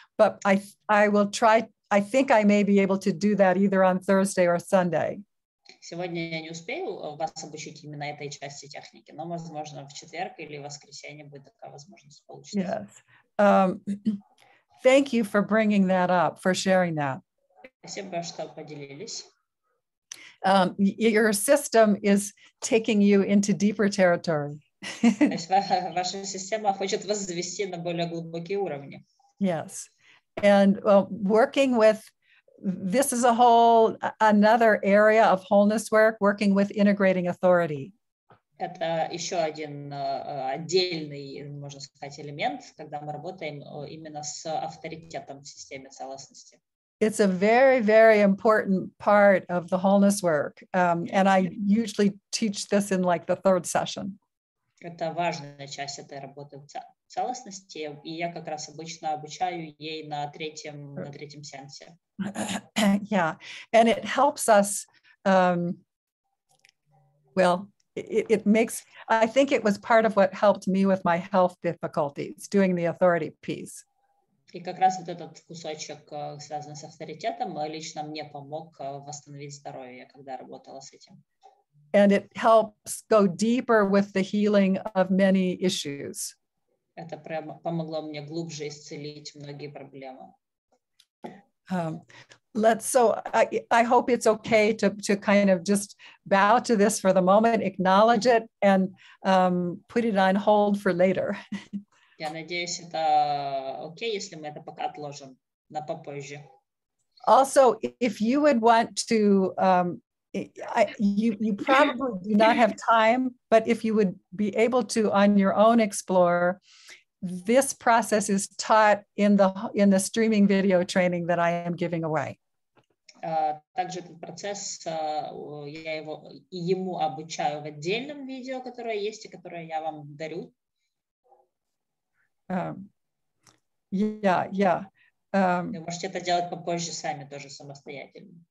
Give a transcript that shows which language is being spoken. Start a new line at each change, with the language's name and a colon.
English: But I will try. I think I may be able to do that either on Thursday or Sunday.
Russian: Сегодня я не успею вас обучить именно этой части техники, но, возможно, в четверг или воскресенье будет такая возможность получиться.
English: Yes. Thank you for bringing that up, for sharing that.
Russian: Спасибо, что поделились.
English: Your system is taking you into deeper territory.
Russian: Ваша система хочет вас завести на более глубокие уровни.
English: Yes. And working with, this is a whole another area of wholeness work, working with integrating authority.
Russian: Это еще один отдельный, можно сказать, элемент, когда мы работаем именно с авторитетом в системе целостности.
English: It's a very, very important part of the wholeness work. And I usually teach this in like the third session.
Russian: Это важная часть этой работы в целостности, и я как раз обычно обучаю ей на третьем сеансе.
English: Yeah, and it helps us, well, it makes, I think it was part of what helped me with my health difficulties, doing the authority piece.
Russian: И как раз вот этот кусочек, связанный с авторитетом, лично мне помог восстановить здоровье, когда работала с этим.
English: And it helps go deeper with the healing of many issues.
Russian: Это помогло мне глубже исцелить многие проблемы.
English: So I hope it's okay to kind of just bow to this for the moment, acknowledge it, and put it on hold for later.
Russian: Я надеюсь, это окей, если мы это пока отложим на попозже.
English: Also, if you would want to... You probably do not have time, but if you would be able to on your own explore, this process is taught in the streaming video training that I am giving away.
Russian: Также этот процесс я его ему обучаю в отдельном видео, которое есть и которое я вам дарю.
English: Yeah.
Russian: Вы можете это делать попозже сами тоже самостоятельно.